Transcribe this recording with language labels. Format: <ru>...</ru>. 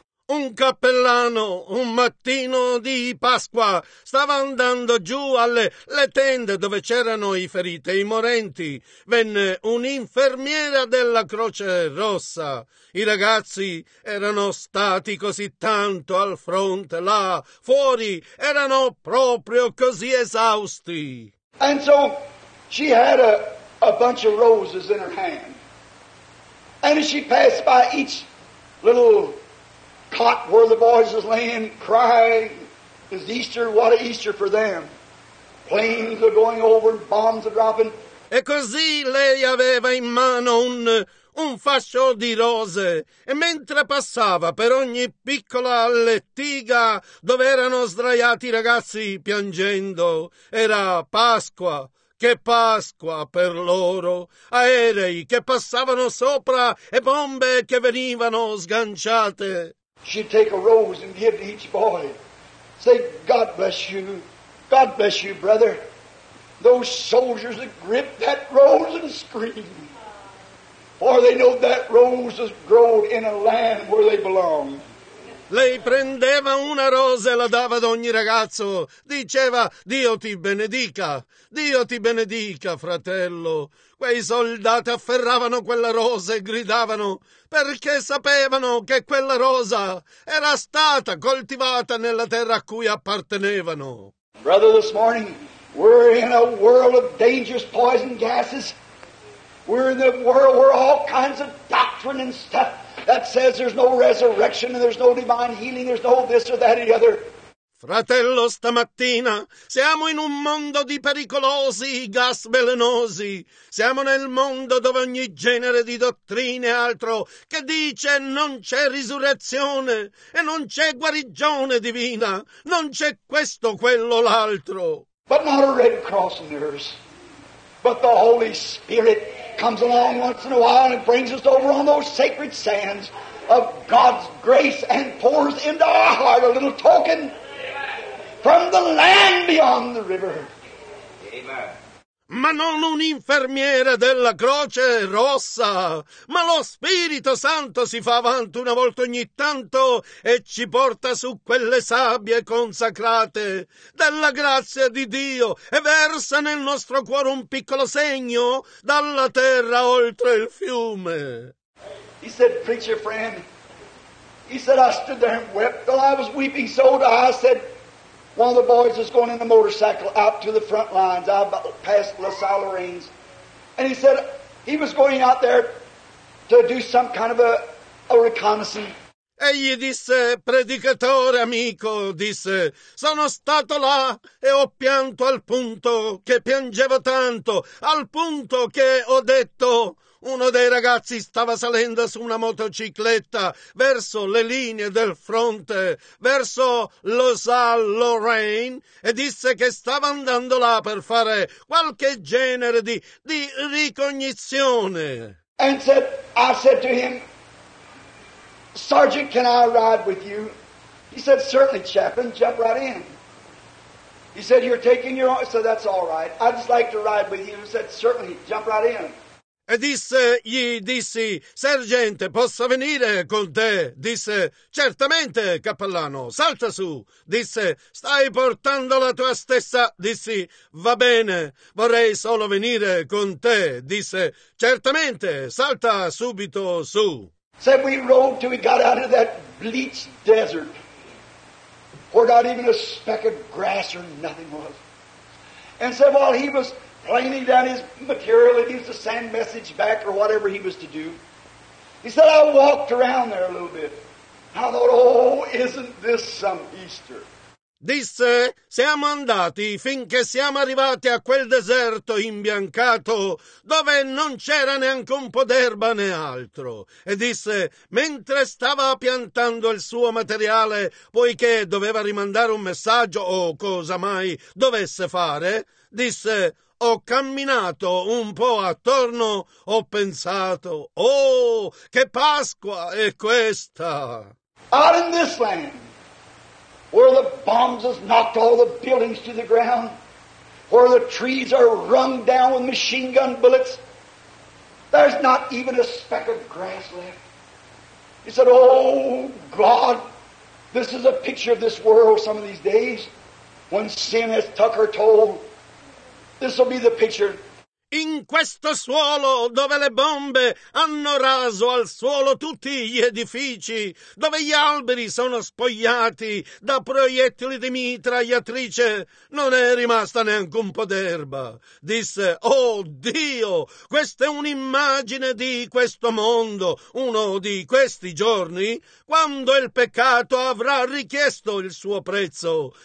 <it>Un cappellano, un mattino di Pasqua, stava andando giù alle le tende dove c'erano i feriti e i morenti. Venne un'infermiera della Croce Rossa. I ragazzi erano stati così tanto al fronte, là fuori, erano proprio così esausti.</it> <en>And so she had a bunch of roses in her hand. And as she passed by each little cot where the boys was laying, crying, it's Easter, what a Easter for them. Planes are going over, bombs are dropping.</en> <it>E così lei aveva in mano un fascio di rose, e mentre passava per ogni piccola lettiga dove erano sdraiati i ragazzi piangendo, era Pasqua. Che Pasqua per loro, aerei che passavano sopra e bombe che venivano sganciate.</it> <en>She'd take a rose and give to each boy. Say, God bless you. God bless you, brother. Those soldiers that gripped that rose and screamed. For they know that rose is grown in a land where they belong.</en> <it>Lei prendeva una rosa e la dava ad ogni ragazzo. Diceva, Dio ti benedica. Dio ti benedica, fratello. Quei soldati afferravano quella rosa e gridavano perché sapevano che quella rosa era stata coltivata nella terra a cui appartenevano.</it> <en>Brother, this morning we're in a world of dangerous poison gases. We're in a world where all kinds of doctrine and stuff that says there's no resurrection and there's no divine healing, there's no this or that or the other.</en> <it>Fratello, stamattina siamo in un mondo di pericolosi gas velenosi. Siamo nel mondo dove ogni genere di dottrina e altro che dice non c'è risurrezione e non c'è guarigione divina, non c'è questo, quello, l'altro.</it> <en>But not a Red Cross nurse, but the Holy Spirit comes along once in a while and brings us over on those sacred sands of God's grace and pours into our heart a little token from the land beyond the river.</en> <it>Ma non un'infermiera della Croce Rossa, ma lo Spirito Santo si fa avanti una volta ogni tanto e ci porta su quelle sabbie consacrate della grazia di Dio e versa nel nostro cuore un piccolo segno dalla terra oltre il fiume.</it> <en>He said, preacher friend, he said, I stood there and wept till I was weeping so that I said, one of the boys is going in the motorcycle out to the front lines, out past La Salle Lorraine's. And he said he was going out there to do some kind of a reconnaissance.</en> <it>Egli disse, predicatore amico, disse, sono stato là e ho pianto al punto che piangevo tanto, al punto che ho detto. Uno dei ragazzi stava salendo su una motocicletta verso le linee del fronte, verso La Salle Lorraine, e disse che stava andando là per fare qualche genere di ricognizione.</it> <en>And said, I said to him, Sergeant, can I ride with you? He said, certainly, chaplain, jump right in. He said, you're taking your own. So that's all right. I'd just like to ride with you. He said, certainly, jump right in.</en> <it>E disse, gli dissi, sergente, posso venire con te? Disse, certamente, cappellano, salta su. Disse, stai portando la tua stessa? Dissi, va bene, vorrei solo venire con te. Disse, certamente, salta subito su.</it> <en>Said we rode till we got out of that bleached desert where not even a speck of grass or nothing was. And said while he was planing down his material, he used to send message back or whatever he was to do. He said, I walked around there a little bit. I thought, oh, isn't this some Easter?</en> <it>Disse, siamo andati finché siamo arrivati a quel deserto imbiancato dove non c'era neanche un po' d'erba né altro. E disse, mentre stava piantando il suo materiale, poiché doveva rimandare un messaggio o cosa mai dovesse fare, disse, ho camminato un po' attorno, ho pensato, oh, che Pasqua è questa!</it> <en>Out in this land! Where the bombs has knocked all the buildings to the ground, where the trees are run down with machine gun bullets, there's not even a speck of grass left. He said, oh God, this is a picture of this world some of these days, when sin has took her toll. This will be the picture.</en> <it>In questo suolo dove le bombe hanno raso al suolo tutti gli edifici, dove gli alberi sono spogliati da proiettili di mitragliatrice, non è rimasta neanche un po' d'erba. Disse, oh Dio, questa è un'immagine di questo mondo, uno di questi giorni, quando il peccato avrà richiesto il suo prezzo.</it>